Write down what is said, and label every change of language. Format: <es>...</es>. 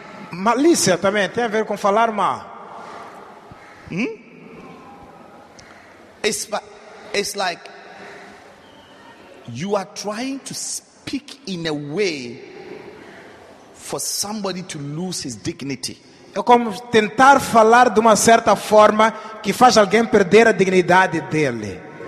<pt>Malícia também tem a ver com falar mal.</pt> <en>It's like you are trying to speak in a way for somebody to lose his dignity.</en> <pt>É como tentar falar de uma certa forma que faz alguém perder a dignidade dele.</pt>